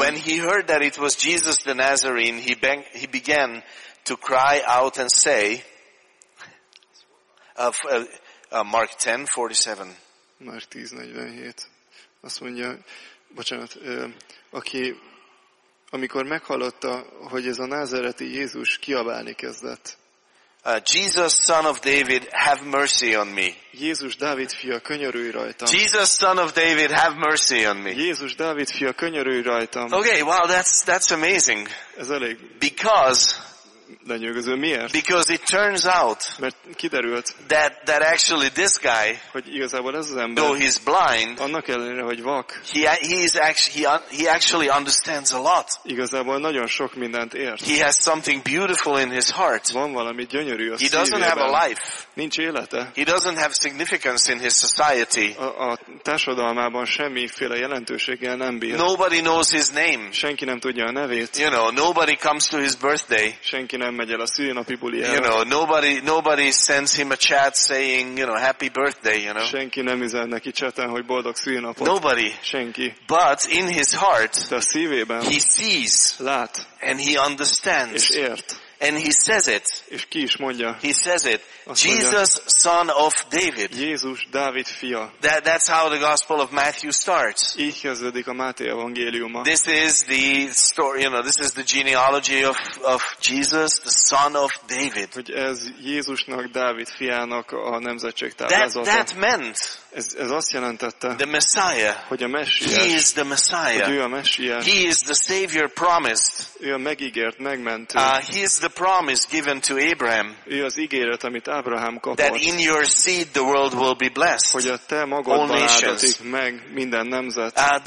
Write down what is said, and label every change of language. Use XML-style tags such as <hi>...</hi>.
<en>When he heard that it was Jesus the Nazarene, he began to cry out and say of Mark 10:47. Mark 10:47.</en> <hu>Azt mondja, bocsánat, aki amikor meghallotta, hogy ez a názareti Jézus, kiabálni kezdett.</hu> <en>Jesus, son of David, have mercy on me.</en> <hu>Jézus Dávid fia, könyörülj rajtam.</hu> <en>Jesus, son of David, have mercy on me.</en> <hu>Jézus Dávid fia, könyörülj rajtam.</hu> <en>Okay, wow, that's amazing.</en> <hu>Ez elég.</hu> <en>Because.</en> <hu>Lenyűgöző, miért?</hu> <en>Because it turns out.</en> <hu>Mert kiderült.</hu> <en>That actually this guy.</en> <hu>Hogy igazából ez az ember.</hu> <en>Though he's blind.</en> <hu>Annak ellenére, hogy vak.</hu> <en>He actually understands a lot.</en> <hu>Igazából nagyon sok mindent ért.</hu> <en>He has something beautiful in his heart.</en> <hu>Van valami gyönyörű a</hu> <en>he</en> <hu>szívében.</hu> <en>He doesn't have a life.</en> <hu>Nincs élete.</hu> <en>He doesn't have significance in his society.</en> <hu>A társadalmában semmiféle jelentőséggel nem bír.</hu> <en>Nobody knows his name.</en> <hu>Senki nem tudja a nevét.</hu> <en>You know, nobody comes to his birthday.</en> <hu>Senki nem megy el a szülinapi bulijára.</hu> <en>You know, nobody sends him a chat saying, you know, happy birthday, you know.</en> <hu>Senki nem üzen neki chaten, hogy boldog szülinapot.</hu> <en>Nobody.</en> <hu>Senki.</hu> <en>But in his heart,</en> <hu>de a szívében,</hu> <en>he sees,</en> <hu>lát,</hu> <en>and he understands,</en> <hu>és ért.</hu> <en>And he says it.</en> <hu>És ki is mondja?</hu> <en>He says it.</en> <hu>Azt</hu> <en>Jesus,</en> <hu>mondja,</hu> <en>son of David.</en> <hu>Jézus Dávid fia.</hu> <en>That's how the Gospel of Matthew starts.</en> <hu>Így kezdődik a Máté evangéliuma.</hu> <en>This is the story, you know, this is the genealogy of Jesus, the son of David.</en> <hu>Hogy ez Jézusnak, Dávid fiának a nemzetség táblázata.</hu> <en>That meant.</en> <hu>Ez azt jelentette.</hu> <en>The Messiah.</en> <hu>Hogy a Messiás.</hu> <en>He is the Messiah.</en> <hu>Hogy ő a Messiás.</hu> <en>He is the Savior promised.</en> <hu>Ő a megígért, megmentő.</hu> <en>He is the promise given to Abraham.</en> <hu>Ő az ígéret, amit Ábrahám kapott.</hu> <en>That in your seed the world will be blessed.</en> <hu>Hogy a te magadban áldatik meg minden nemzet.</hu>